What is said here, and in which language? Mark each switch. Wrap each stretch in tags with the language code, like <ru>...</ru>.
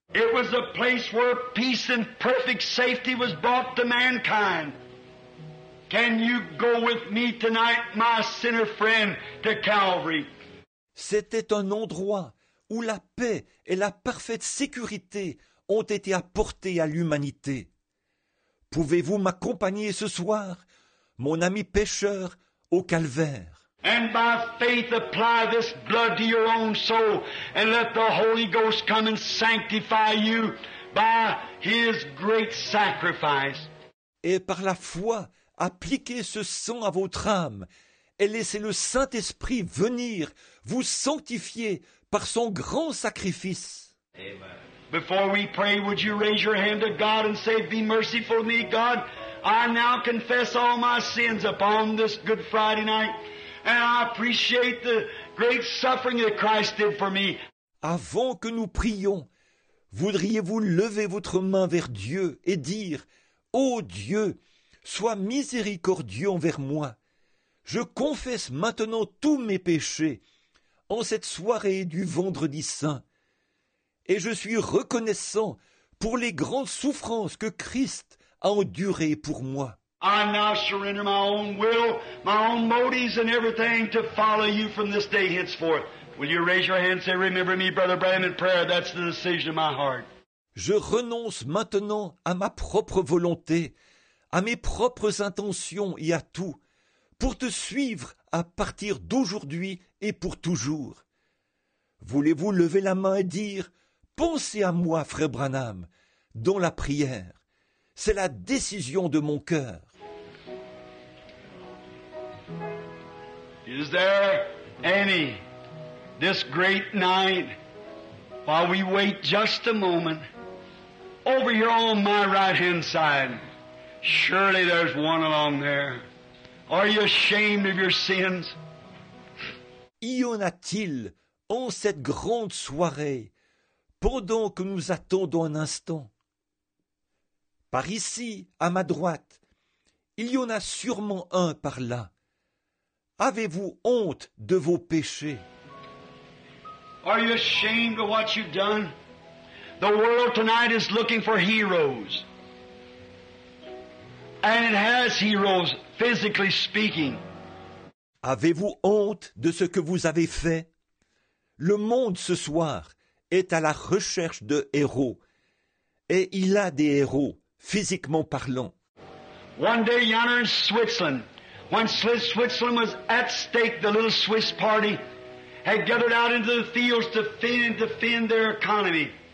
<en>It was a place where peace and perfect safety was brought to mankind. Can you go with me tonight, my sinner friend, to Calvary?</en> <fr>C'était un endroit où la paix et la parfaite sécurité ont été apportées à l'humanité. Pouvez-vous m'accompagner ce soir, mon ami pécheur, au calvaire?</fr> <en>And by faith apply this blood to your own soul and let the Holy Ghost come and sanctify you by his great sacrifice.</en> <fr>Et par la foi, appliquez ce sang à votre âme et laissez le Saint-Esprit venir vous sanctifier par son grand sacrifice. Amen.</fr> <en>Before we pray, would you raise your hand to God and say, be merciful to me, God. I now confess all my sins upon this Good Friday night. And I appreciate the great suffering that Christ did for me.</en> <fr>Avant que nous prions, voudriez-vous lever votre main vers Dieu et dire, ô Dieu, sois miséricordieux envers moi. Je confesse maintenant tous mes péchés en cette soirée du Vendredi Saint. Et je suis reconnaissant pour les grandes souffrances que Christ a endurées pour moi.</fr> <en>I now surrender my own will, my own motives and everything to follow you from this day henceforth. Will you raise your hand and say, remember me, Brother Branham, in prayer? That's the decision of my heart.</en> <fr>Je renonce maintenant à ma propre volonté, à mes propres intentions et à tout, pour te suivre à partir d'aujourd'hui et pour toujours. Voulez-vous lever la main et dire « Pensez à moi, frère Branham » dans la prière. C'est la décision de mon cœur.</fr> <en>Is there any this great night while we wait just a moment over here on my right hand side? Surely there's one along there. Are you ashamed of your sins?</en> <fr>Y en a-t-il en cette grande soirée, pendant que nous attendons un instant? Par ici, à ma droite, il y en a sûrement un par là. Avez-vous honte de vos péchés?</fr> <en>Are you ashamed of what you've done? The world tonight is looking for heroes. And it has heroes, physically speaking.</en> <fr>Avez-vous honte de ce que vous avez fait? Le monde ce soir est à la recherche de héros. Et il a des héros, physiquement parlant.</fr> <en>One day yonder in Switzerland, when Switzerland was at stake, the little Swiss party had gathered out into the fields to defend their economy.</en>